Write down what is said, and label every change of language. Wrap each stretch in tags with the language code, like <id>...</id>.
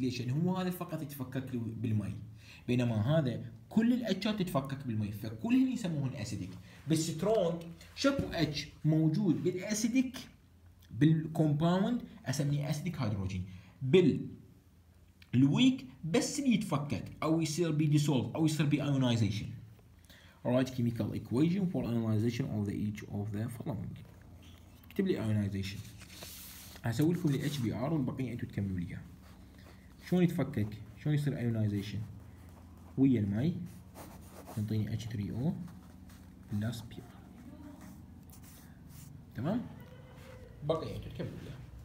<ar>ليش؟ يعني هو هذا فقط يتفكك بالماء، بينما هذا كل الاتشات تتفكك بالماء فكلهن يسموهن اسيديك. بس سترونج شكو اتش موجود بالاسيديك بالكومباوند اسميه اسيديك هيدروجين، بالويك بس يتفكك او يصير بي ديسولف او يصير بي ايونايزيشن.</ar> <en>Alright, chemical equation for ionization of the each of the following.</en> <ar>اكتب لي ionization. هسوي لكم ال HBr والبقية انتو تكملوا ليها. شلون يتفكك؟ شلون يصير ionization؟ ويا الماء ينطيني H3O plus Br. تمام؟ بقية انتو تكملوا ليها.</ar>